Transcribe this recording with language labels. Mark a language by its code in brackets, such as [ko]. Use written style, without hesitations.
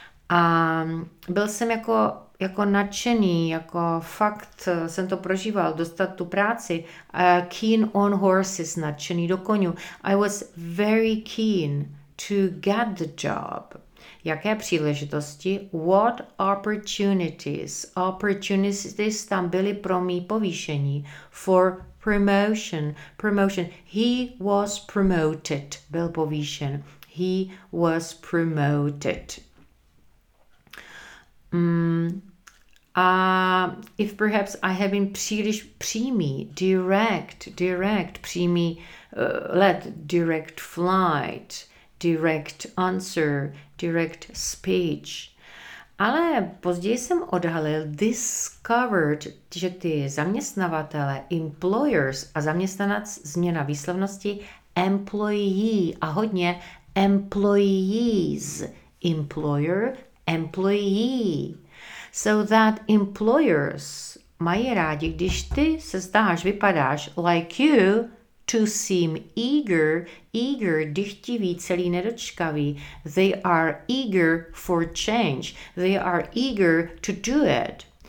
[cs] A byl jsem jako nadšený, jako fakt jsem to prožíval, dostat tu práci, [en] keen on horses, [cs] nadšený do koně. [en] I was very keen to get the job. [cs] Jaké příležitosti? [en] What opportunities? Opportunities [cs] tam byly pro mý povýšení. [en] For promotion. He was promoted. [cs] Byl povýšen. [en] He was promoted. If perhaps I have been [cs] příliš přímý, [en] direct, [cs] přímý, let [en] direct flight, direct answer, direct speech. [cs] Ale později jsem [en] discovered, [cs] že ty zaměstnavatele, [en] employers [cs] a zaměstnanec, změna výslovnosti, [en] employee a hodně employees, employer, employee. So that employers [cs] mají rádi, když ty se zdáš, vypadáš [en] like you, to seem eager, [cs] dychtivý, celý nedočkavý. [en] They are eager for change. They are eager to do it.